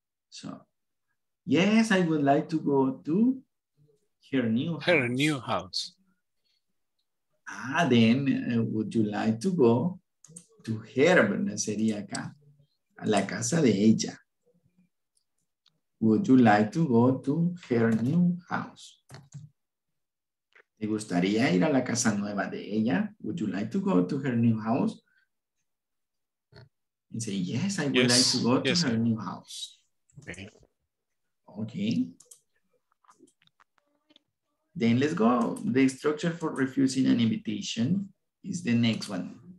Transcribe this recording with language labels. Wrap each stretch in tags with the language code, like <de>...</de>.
<en>So, yes, I would like to go to her new house. Ah, then would you like to go to her, ¿verdad?</en> <es>Sería acá, a la casa de ella.</es> <en>Would you like to go to her new house?</en> <es>¿Te gustaría ir a la casa nueva de ella?</es> <en>Would you like to go to her new house? And say, yes, I would like to go to her new house. Okay. Then let's go. The structure for refusing an invitation is the next one.</en>